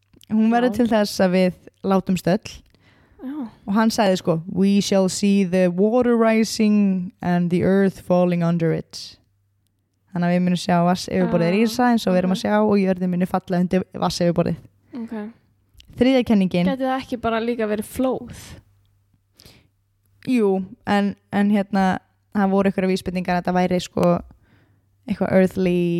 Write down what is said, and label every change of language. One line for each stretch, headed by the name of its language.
Icelandic: Hún verður til þess að við látum stöll. Já. Og hann sagði sko,
English: we shall see the water rising and the earth falling under it.
Icelandic: Þannig að við munum sjá vass yfirborðið rísa eins og við erum að sjá og jörðin munum falla undir vass yfirborðið. Ok. Þriðja kenningin. Gæti það ekki bara líka verið flóð? Jú, en hérna, það voru eitthvað vísbendingar að það væri sko eitthvað earthly.